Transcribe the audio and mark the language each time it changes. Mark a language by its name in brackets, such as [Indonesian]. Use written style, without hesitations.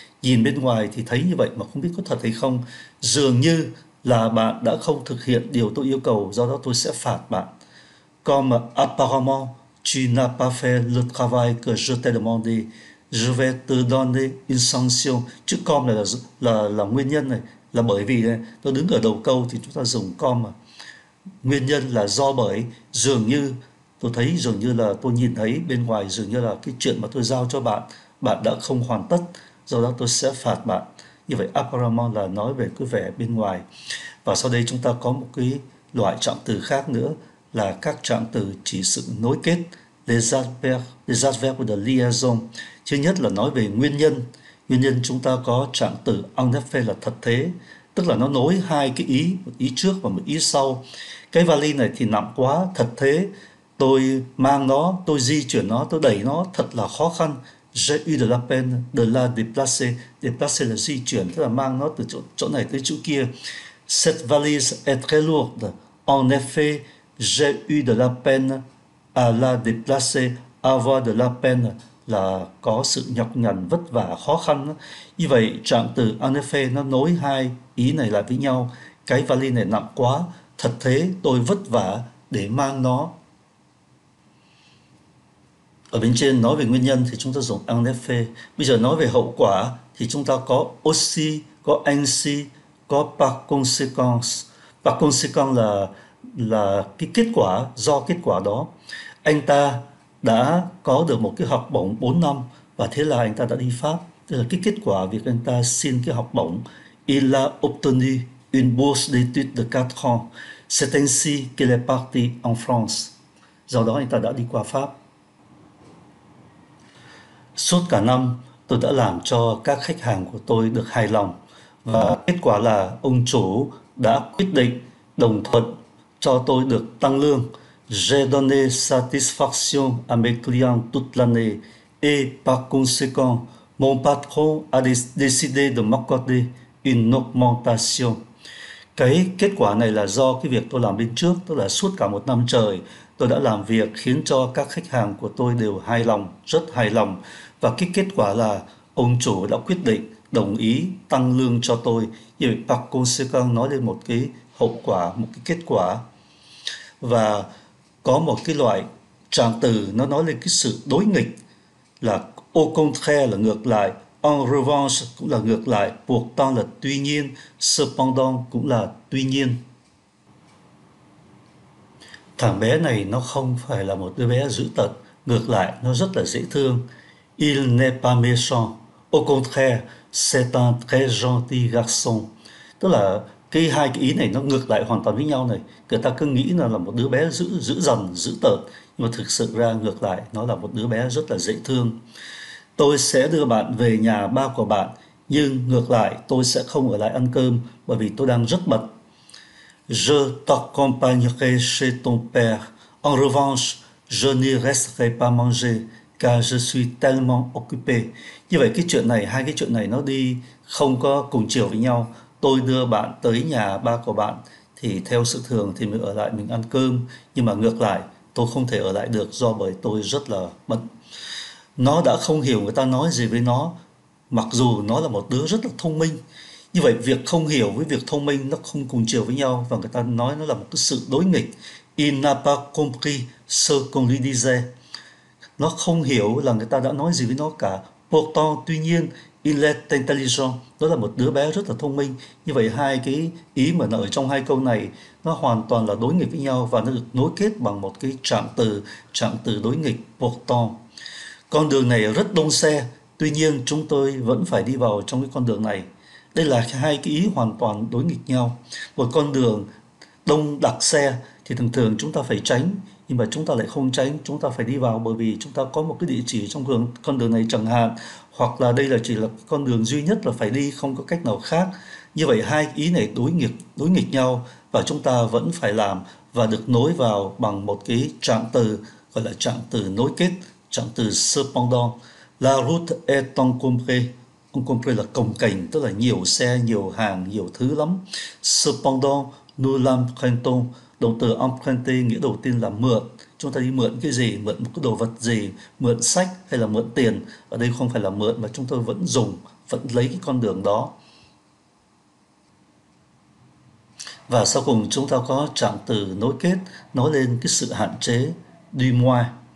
[Vietnamese] Nhìn bên ngoài thì thấy như vậy mà không biết có thật hay không. Dường như là bạn đã không thực hiện điều tôi yêu cầu, do đó tôi sẽ phạt bạn. [French] Comme apparemment, tu n'as pas fait le travail que je t'ai demandé. Je vais te donner une sanction. [Vietnamese] Chữ comme này là nguyên nhân này. Là bởi vì này, tôi đứng ở đầu câu thì chúng ta dùng com mà. Nguyên nhân là do bởi, dường như tôi thấy, dường như là tôi nhìn thấy bên ngoài, dường như là cái chuyện mà tôi giao cho bạn, bạn đã không hoàn tất, do đó tôi sẽ phạt bạn. Như vậy apparemment là nói về cái vẻ bên ngoài. Và sau đây chúng ta có một cái loại trạng từ khác nữa là các trạng từ chỉ sự nối kết, [French] les adverbes de liaison. [Vietnamese] Thứ nhất là nói về nguyên nhân. Nguyên nhân chúng ta có trạng từ en effet là thật thế, tức là nó nối hai cái ý, một ý trước và một ý sau. Cái vali này thì nặng quá, thật thế, tôi mang nó, tôi di chuyển nó, tôi đẩy nó thật là khó khăn. [French] J'ai eu de la peine de la déplacer. [Vietnamese] Déplacer là di chuyển, tức là mang nó từ chỗ này tới chỗ kia. [French] Cette valise est très lourde. En effet, j'ai eu de la peine à la déplacer. Avoir de la peine [Vietnamese] là có sự nhọc nhằn, vất vả, khó khăn. Như vậy, trạng từ en effet nó nối hai ý này lại với nhau. Cái vali này nặng quá, thật thế, tôi vất vả để mang nó. Ở bên trên nói về nguyên nhân thì chúng ta dùng en effet. Bây giờ nói về hậu quả thì chúng ta có aussi, có ainsi, có par conséquence. Par conséquence là cái kết quả, do kết quả đó. Anh ta đã có được một cái học bổng 4 năm và thế là anh ta đã đi Pháp. Tức là cái kết quả việc anh ta xin cái học bổng. [French] Il a obtenu une bourse d'études de 4 ans. C'est ainsi qu'il est parti en France. [Vietnamese] Do đó anh ta đã đi qua Pháp. Suốt cả năm tôi đã làm cho các khách hàng của tôi được hài lòng và kết quả là ông chủ đã quyết định đồng thuận cho tôi được tăng lương. [French] J'ai donné satisfaction à mes clients toute l'année et par conséquent, mon patron a décidé de m'accorder une augmentation. [Vietnamese] Cái kết quả này là do cái việc tôi làm bên trước, tức là suốt cả một năm trời tôi đã làm việc khiến cho các khách hàng của tôi đều hài lòng, rất hài lòng. Và cái kết quả là ông chủ đã quyết định đồng ý tăng lương cho tôi. Như vậy, par conséquent nói lên một cái hậu quả, một cái kết quả. Và có một cái loại trạng từ nó nói lên cái sự đối nghịch là au contraire là ngược lại, en revanche cũng là ngược lại, pourtant là tuy nhiên, cependant cũng là tuy nhiên. Thằng bé này nó không phải là một đứa bé dữ tợn, ngược lại nó rất là dễ thương. [French] Il n'est pas méchant. Au contraire, c'est un très gentil garçon. [Vietnamese] Tức là cái hai cái ý này nó ngược lại hoàn toàn với nhau này. Người ta cứ nghĩ là một đứa bé dữ dằn, dữ tợn, nhưng mà thực sự ra ngược lại, nó là một đứa bé rất là dễ thương. Tôi sẽ đưa bạn về nhà ba của bạn, nhưng ngược lại tôi sẽ không ở lại ăn cơm bởi vì tôi đang rất bận. [French] Je t'accompagnerai chez ton père. En revanche, je n'y resterai pas manger car je suis tellement occupé. [Vietnamese] Như vậy cái chuyện này, hai cái chuyện này nó đi không có cùng chiều với nhau. Tôi đưa bạn tới nhà ba của bạn thì theo sự thường thì mình ở lại mình ăn cơm, nhưng mà ngược lại tôi không thể ở lại được do bởi tôi rất là bận. Nó đã không hiểu người ta nói gì với nó, mặc dù nó là một đứa rất là thông minh. Như vậy việc không hiểu với việc thông minh nó không cùng chiều với nhau, và người ta nói nó là một cái sự đối nghịch. [French] Il n'a pas compris ce qu'on lui disait. [Vietnamese] Nó không hiểu là người ta đã nói gì với nó cả. [French] Pourtant, [Vietnamese] tuy nhiên, [French] il est intelligent. [Vietnamese] Nó là một đứa bé rất là thông minh. Như vậy, hai cái ý mà nó ở trong hai câu này, nó hoàn toàn là đối nghịch với nhau và nó được nối kết bằng một cái trạng từ đối nghịch, pourtant. Con đường này rất đông xe, tuy nhiên chúng tôi vẫn phải đi vào trong cái con đường này. Đây là hai cái ý hoàn toàn đối nghịch nhau. Một con đường đông đặc xe thì thường thường chúng ta phải tránh, nhưng mà chúng ta lại không tránh, chúng ta phải đi vào bởi vì chúng ta có một cái địa chỉ trong đường, con đường này chẳng hạn, hoặc là đây là chỉ là con đường duy nhất là phải đi, không có cách nào khác. Như vậy hai ý này đối nghịch nhau và chúng ta vẫn phải làm và được nối vào bằng một cái trạng từ gọi là trạng từ nối kết, trạng từ cependant. [French] La route est encombrée. [Vietnamese] Encombrée là cồng kềnh, tức là nhiều xe, nhiều hàng, nhiều thứ lắm. [French] Cependant, nous l'empruntons. [Vietnamese] Động từ emprunter nghĩa đầu tiên là mượn. Chúng ta đi mượn cái gì? Mượn một cái đồ vật gì? Mượn sách hay là mượn tiền? Ở đây không phải là mượn mà chúng tôi vẫn dùng, vẫn lấy cái con đường đó. Và sau cùng chúng ta có trạng từ nối kết, nói lên cái sự hạn chế, du moins.